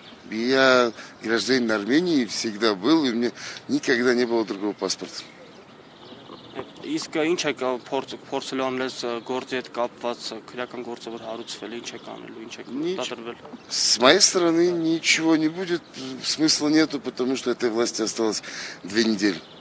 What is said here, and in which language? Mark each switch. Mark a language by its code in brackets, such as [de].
[ru] Я гражданин Армении, всегда был, и у меня никогда не было другого паспорта. [hy] Իսկ ինչ է փորձել անել գործի հետ կապված քրեական գործը, որ հարուցվել է, ինչ է կանելու, ինչ է դատարվել? [ru] С моей стороны ничего не будет, смысла нету, потому что этой власти осталось 2 недели.